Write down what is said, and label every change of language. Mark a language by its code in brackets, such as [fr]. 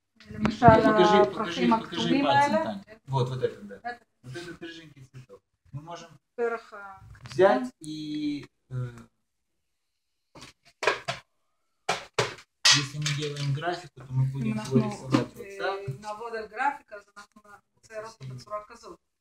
[he] למשל, הפרחים הכתובים האלה. [ru] Вот, вот это, да. Вот это רז'ינקי цветов. Мы можем [he] פרח... [ru] взять и... если мы делаем графику, то мы будем его рисовать вот так. [he] נעבוד על графика, אז אנחנו נעשה רק בצורה כזאת.